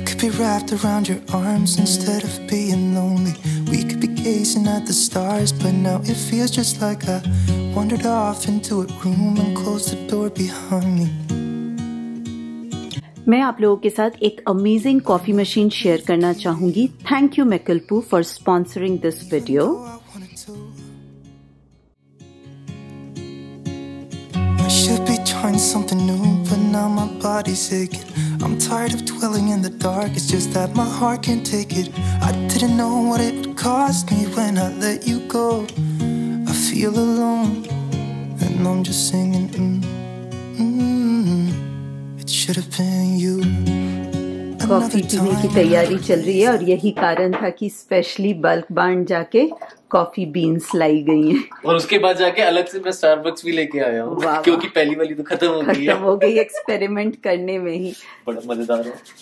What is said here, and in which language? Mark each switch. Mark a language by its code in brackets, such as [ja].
[en] Be wrapped around your arms instead of being lonely. We could be gazing at the stars, but now it feels just like I wandered off into a room and closed the door behind me. [hi] मैं आप लोगों के साथ एक amazing coffee machine share करना चाहूंगी। [en] Thank you Makalpu for sponsoring this video. I'm tired of dwelling in the dark, it's just that my heart can't take it. I didn't know what it would cost me when I let you go. I feel alone, and I'm just singing, it should have been you. [hi] Coffee पीने की तैयारी चल रही है और यही कारण था कि स्पेशली बल्क बार्न जाके कॉफी बीन्स लाई गई हैं। और उसके बाद जाके अलग से मैं स्टारबक्स भी लेके आया हूँ, क्योंकि पहली वाली तो खत्म हो गई एक्सपेरिमेंट करने में ही। बड़ा मजेदार